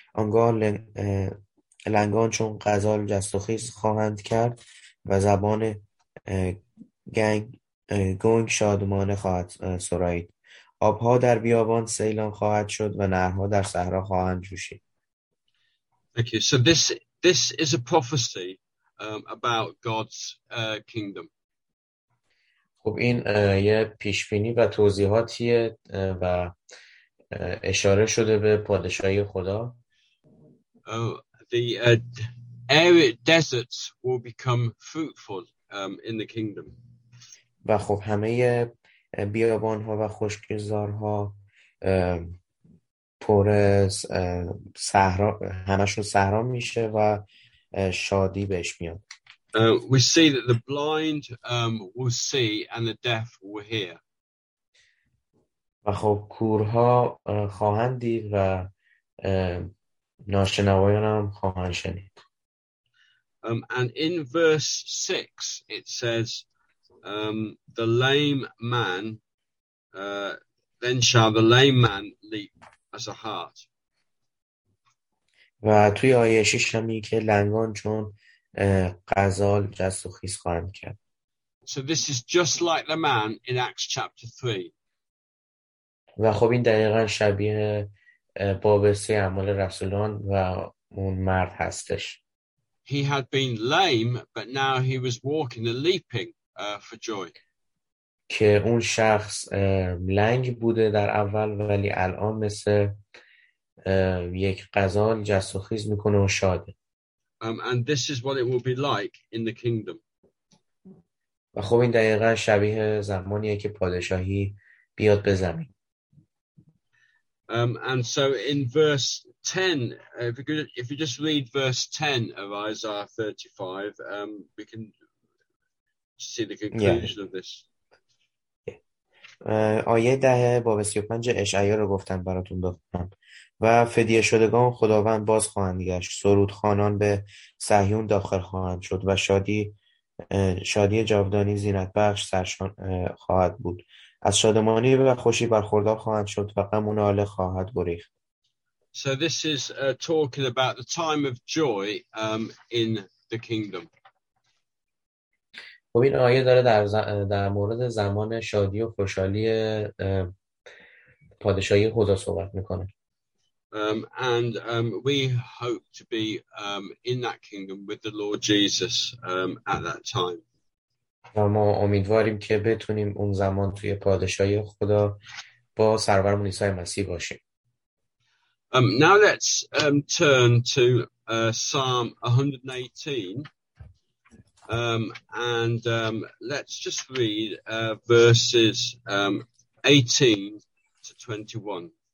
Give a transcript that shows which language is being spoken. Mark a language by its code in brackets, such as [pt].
[fa] آنگاه لنگان چون غزال جست و خیز خواهند کرد و زبان گنگ شادمانه خواهد سرایید. آبها در بیابان سیلان خواهد شد و نهرها در صحرا خواهند جوشید. [en] Thank you. So this is a prophecy about God's kingdom. [fa] خب این یه پیشبینی و توضیحاتیه و اشاره شده به پادشاهی خدا. [en] The arid deserts will become fruitful in the kingdom. [fa] و خب همه بیابان‌ها و خشکزارها پر از صحرا، همشون صحرا میشه و شادی بهش میاد. [en] We see that the blind will see and the deaf will hear. [fa] و خب کورها خواهند دید و ناشنوایان هم خواهند شنید. [en] And in verse 6 it says the lame man then shall the lame man leap as a hart. [fa] و توی آیه 6 هم میگه که لنگان چون غزال جست و خیز خواهند کرد. [en] So this is just like the man in Acts chapter 3. [fa] و خب این دقیقا شبیه باب 3 اعمال رسولان و اون مرد هستش. [en] He had been lame but now he was walking and leaping for joy. [fa] که اون شخص لنگ بوده در اول ولی الان مثل یک غزال جست و خیز میکنه و شاده. [en] And this is what it will be like in the kingdom. [fa] و خب این دقیقا شبیه زمانیه که پادشاهی بیاد به زمین. [en] And so in verse 10, if you just read verse 10 of Isaiah 35, we can see the conclusion of this. [fa] آیه ده باب 35 اشعیا رو گفتن براتون بخونم. و فدیه شدگان خداوند باز خواهند گشت، سرود خانان به صهیون داخل خواهند شد و شادی جاودانی زینت بخش سرشان خواهد بود. از شادمانی و خوشی برخوردار خواهند شد و غم و ناله خواهد گریخت. [en] So this is talking about the time of joy in the kingdom. [fa] خب این آیه داره در مورد زمان شادی و خوشحالی پادشاهی خدا صحبت میکنه. [en] And we hope to be in that kingdom with the Lord Jesus at that time. [fa] ما امیدواریم که بتونیم اون زمان توی پادشاهی خدا با سرورمون عیسی مسیح باشیم. [en] Now let's turn to Psalm 118 and let's just read verses 18 to 21.